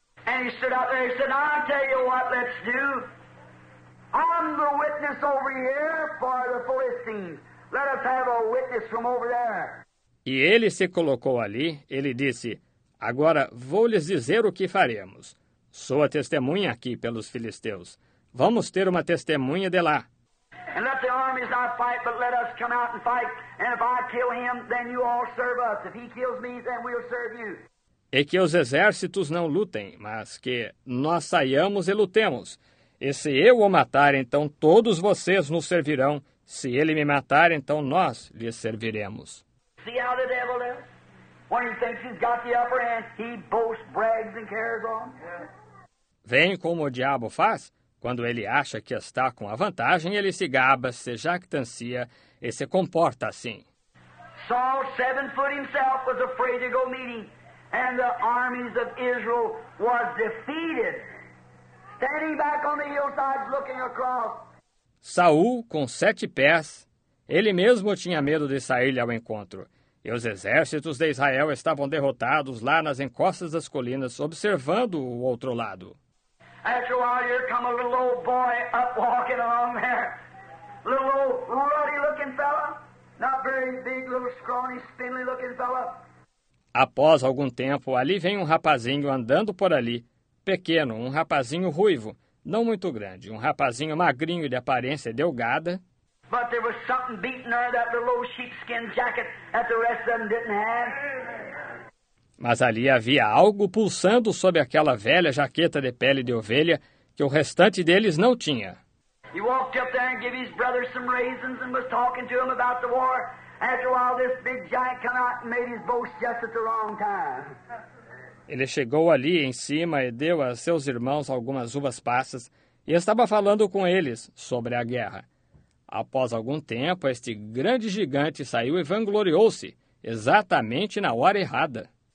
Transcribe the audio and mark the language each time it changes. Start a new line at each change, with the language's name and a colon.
English: And he stood up there and said, I'll tell you what let's do. I'm the witness over here for the Philistines. Let us have a witness from over there.
Portuguese: E ele se colocou ali, ele disse, agora vou lhes dizer o que faremos. Sou a testemunha aqui pelos filisteus. Vamos ter uma testemunha de lá.
English: And let the armies not fight, but let us come out and fight. And if I kill him, then you all serve us. If he kills me, then we'll serve you.
Portuguese: E que os exércitos não lutem, mas que nós saiamos e lutemos. E se eu o matar, então todos vocês nos servirão. Se ele me matar, então nós lhe serviremos.
English: See how the devil is? When he thinks he's got the upper hand, he boasts, brags and carries on.
Portuguese: Vem como o diabo faz? Quando ele acha que está com a vantagem, ele se gaba, se jactancia e se comporta assim.
English: Saul, 7 foot himself, was afraid to go meeting, and the armies of Israel was defeated, standing back on the hillside looking across.
Portuguese: Saul, com 7 pés, ele mesmo tinha medo de sair-lhe ao encontro, e os exércitos de Israel estavam derrotados lá nas encostas das colinas, observando o outro lado.
English: After a while, here come a little old boy up walking along there. Little old ruddy-looking fella. Not very big, little scrawny, spindly-looking fella.
Portuguese: Após algum tempo, ali vem um rapazinho andando por ali. Pequeno, um rapazinho ruivo. Não muito grande. Um rapazinho magrinho de aparência delgada.
English: But there was something beating her, that little old sheepskin jacket that the rest of them didn't have.
Portuguese: Mas ali havia algo pulsando sob aquela velha jaqueta de pele de ovelha que o restante deles não tinha.
English: He walked up there and gave his brother some raisins and was talking to him about the war. After a while, this big giant came out and made his boast just at the wrong time.
Portuguese: Ele chegou ali em cima e deu a seus irmãos algumas uvas passas e estava falando com eles sobre a guerra. Após algum tempo, este grande gigante saiu e vangloriou-se exatamente na hora errada.